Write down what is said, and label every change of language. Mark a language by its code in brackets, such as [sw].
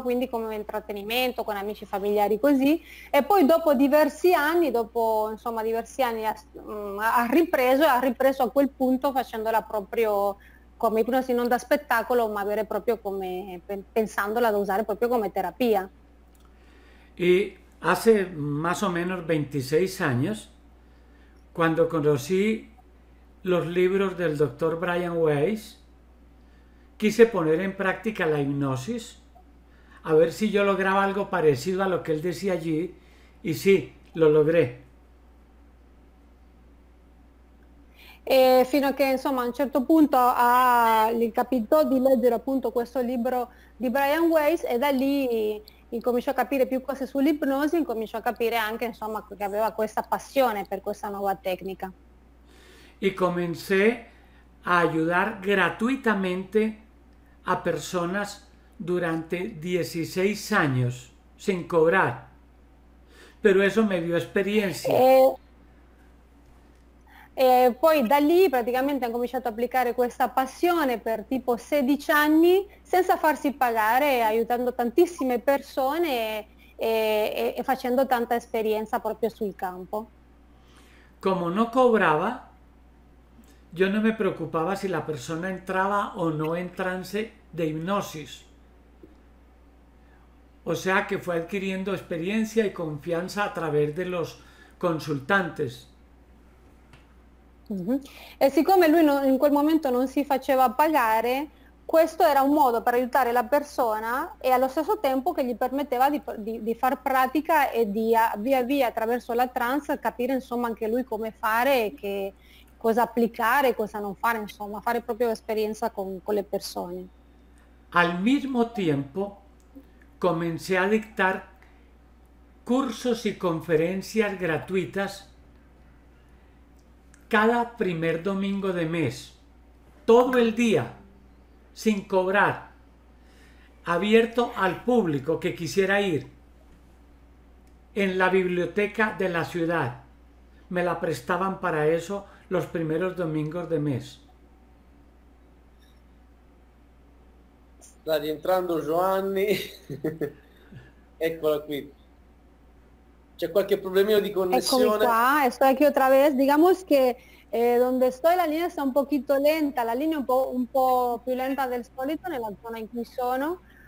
[it] Quindi come intrattenimento con amici e familiari così, e poi dopo diversi anni, dopo insomma diversi anni ha ripreso a quel punto facendola proprio come ipnosi non da spettacolo, ma vera e proprio come pensandola da usare proprio come terapia. [es] Y hace más o menos 26 años, cuando conocí los libros del doctor Brian Weiss, quise poner en práctica la hipnosis, a ver si yo lograba algo parecido a lo que él decía allí, y sí, lo logré. [it] Fino a che insomma a un certo punto gli capitò di leggere appunto questo libro di Brian Weiss e da lì incominciò a capire più cose sull'ipnosi, incominciò a capire anche insomma che aveva questa passione per questa nuova tecnica. [es] Y comencé a ayudar gratuitamente a personas durante 16 años, sin cobrar. Pero eso me dio experiencia. [it] E poi da lì praticamente ha cominciato ad applicare questa passione per tipo 16 anni senza farsi pagare, aiutando tantissime persone e facendo tanta esperienza proprio sul campo. [es] Como no cobraba, yo no me preocupaba si la persona entraba o no en trance de hipnosis. O sea que fue adquiriendo experiencia y confianza a través de los consultantes. [it] E siccome lui non, in quel momento non si faceva pagare, questo era un modo per aiutare la persona e allo stesso tempo che gli permetteva di far pratica e di via via attraverso la trance capire insomma anche lui come fare e che, cosa applicare, cosa non fare, insomma fare proprio esperienza con le persone. [es] Al mismo tiempo, comencé a dictar cursos y conferencias gratuitas cada primer domingo de mes, todo el día, sin cobrar, abierto al público que quisiera ir en la biblioteca de la ciudad. Me la prestaban para eso los primeros domingos de mes. [it] Sta rientrando Giovanni. Eccola qui. C'è qualche problemino di Eccomi connessione? qua, sto [es] aquí otra vez. Digamos que donde estoy la línea está un poquito lenta, la línea [it] un po' più lenta del solito nella zona in cui sono.